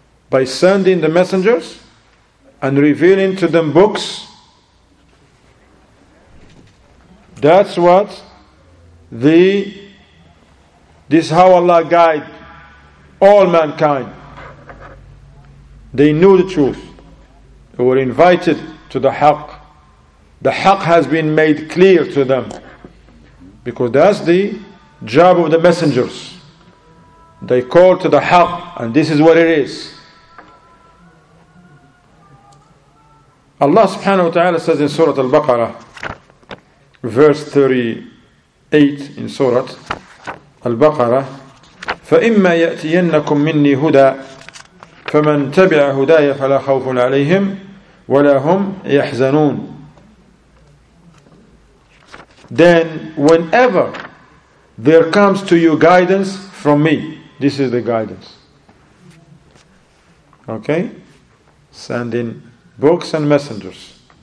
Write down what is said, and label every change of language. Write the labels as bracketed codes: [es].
[en] By sending the messengers and revealing to them books, that's what this is how Allah guide all mankind. They knew the truth. They were invited to the Haqq. The Haqq has been made clear to them. Because that's the job of the messengers. They call to the Haqq, and this is what it is. Allah subhanahu wa ta'ala says in Surah Al-Baqarah, [ar] verse 38 in Surah Al-Baqarah, فَإِمَّا يَأْتِيَنَّكُم مِّنِّي هُدَى فَمَنْ تَبِعَ هُدَايَ فَلَا خَوْفٌ عَلَيْهِمْ وَلَا هُمْ يَحْزَنُونَ. [en] Then whenever there comes to you guidance from me, this is the guidance. Okay? Sending books and messengers.